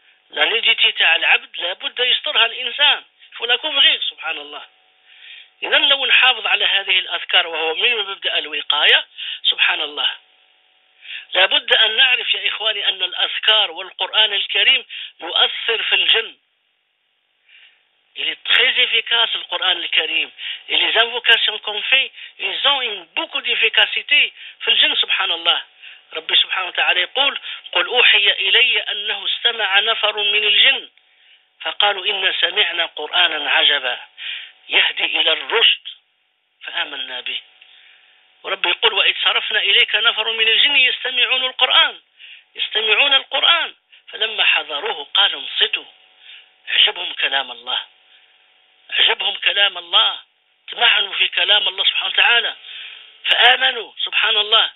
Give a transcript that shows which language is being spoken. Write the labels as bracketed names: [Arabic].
[French] لا نيديتي [Arabic] تاع العبد لابد يسترها الانسان، فلا كون غير سبحان الله. اذا لو نحافظ على هذه الاذكار وهو من مبدا الوقايه سبحان الله، لابد ان نعرف يا اخواني ان الاذكار والقران الكريم يؤثر في الجن. [French] Il est très efficace le Coran le Karim. Et les invocations qu'on fait, ils ont beaucoup d'efficacité. [Arabic] Fil jinn, subhanallah. Rabbi subhanahu wa ta'ala يقول: قل أوحي إلي أنه استمع نفر من الجن فقالوا إنا سمعنا قرآنا عجبا يهدي إلى الرشد فآمنا به. وربي يقول: وإذ صرفنا إليك نفر من الجن يستمعون القرآن، يستمعون القرآن، فلما حضروه قالوا انصتوا، عجبهم كلام الله، عجبهم كلام الله، تمعنوا في كلام الله سبحانه وتعالى فآمنوا سبحان الله.